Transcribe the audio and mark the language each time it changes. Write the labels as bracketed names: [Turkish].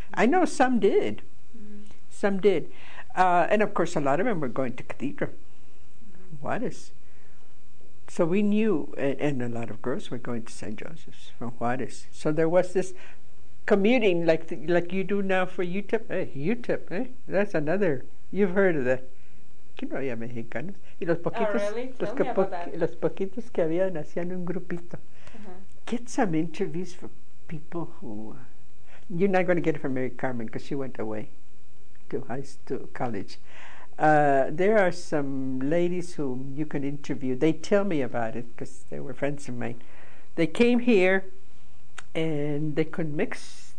[English] I know some did. Mm-hmm. Some did. And of course, a lot of them were going to cathedral. Mm-hmm. Juarez. So we knew, and a lot of girls were going to St. Joseph's from Juarez. So there was this commuting like you do now for UTEP. Hey, UTEP, that's another. You've heard of that. [Spanish] ¿Qué no había mexicanos? Y los poquitos, los poquitos que habían hacían un grupito. Uh-huh. [English] Get some interviews for people who. You're not going to get it from Mary Carmen because she went away to college. There are some ladies whom you can interview. They tell me about it because they were friends of mine. They came here and they couldn't mix.